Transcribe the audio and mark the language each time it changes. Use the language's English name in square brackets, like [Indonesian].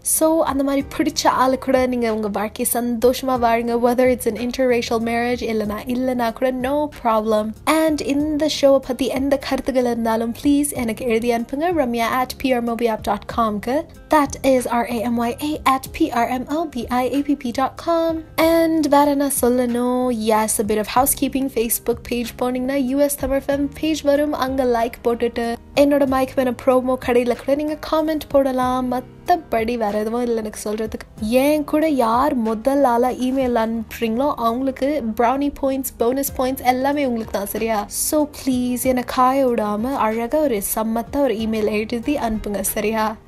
[Tamil] So அந்த மாதிரி பிடிச்ச ஆளு கூட நீங்க உங்க வாழ்க்கையை சந்தோஷமா வாழுங்க. [English] whether it's an interracial marriage [Tamil] இல்லைன்னா கூட [English] No problem. [Tamil] அண்ட் இந்த ஷோவை பத்தி எந்த கருத்துக்கள் இருந்தாலும் பிளீஸ் எனக்கு எழுதி அனுப்புங்க, ramya@prmobiapp.com-க்கு. [English] That is ramya@prmobiapp.com. And [Tamil] வேற என்ன சொல்லணும், [English] yes, a bit of housekeeping. Facebook page [Tamil] போனீங்கன்னா [English] US Tamil FM page [Tamil] வரும். அங்க லைக் போட்டுட்டு என்னோட மைக் மேல ப்ரோமோ கடையில கூட நீங்க காமெண்ட் போடலாம். மற்றபடி வேற எதுவும் இல்லை எனக்கு சொல்றதுக்கு. ஏன் கூட யார் முதல் ஆளா இமெயில் அனுப்புறீங்களோ அவங்களுக்கு ப்ரௌனி பாயிண்ட்ஸ், போனஸ் பாயிண்ட்ஸ் எல்லாமே உங்களுக்கு தான், சரியா? ஸோ ப்ளீஸ் என்னை காய விடாம அழகா ஒரு சம்மத்த ஒரு இமெயில் எழுதி அனுப்புங்க, சரியா?